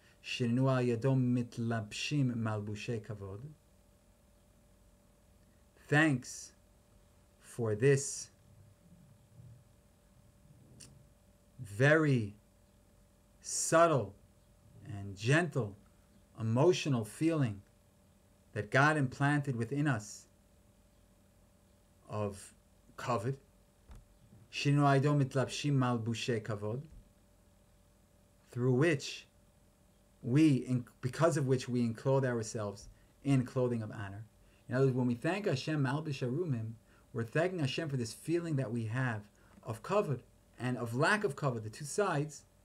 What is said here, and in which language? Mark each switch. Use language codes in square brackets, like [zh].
[he] שנינו על ידו מתלבשים מלבושי כבוד. [en] Thanks for this very subtle and gentle emotional feeling that God implanted within us of כבוד. [he] שנינו על ידו מתלבשים מלבושי כבוד. [en] Through which because of which we enclose ourselves in clothing of honor. In other words, when we thank Hashem Malbish Arumim, we're thanking Hashem for this feeling that we have of kavod and of lack of kavod, the two sides.